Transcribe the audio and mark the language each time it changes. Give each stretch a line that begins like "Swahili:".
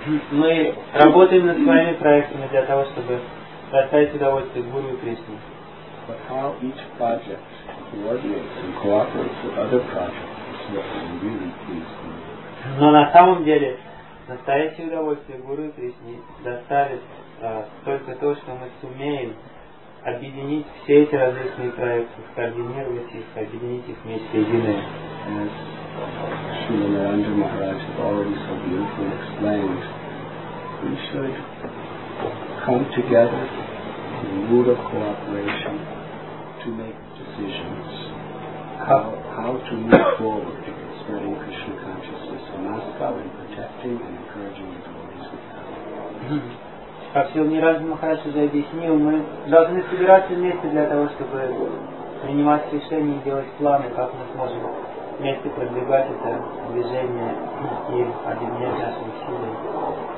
Russian: Мы работаем над своими проектами для того, чтобы доставить удовольствие Гуру и Кришне.
English: But how each project coordinates and cooperates with other projects is what really pleases me.
Russian: Но на самом деле настоящее удовольствие Гуру и Кришне доставит только то, что мы сумеем объединить все эти различные проекты, скоординировать их, объединить их вместе единое.
English: As Srila Narendra Maharaj has already so beautifully explained, we should come together in a mood of cooperation to make decisions how to move forward in spreading Krishna consciousness in Moscow and protecting and encouraging the devotees we have.
Russian: Как Сил Ниранджа Махарадж уже объяснил, мы должны собираться вместе для того, чтобы принимать решения и делать планы, как мы сможем вместе продвигать это движение и объединять наши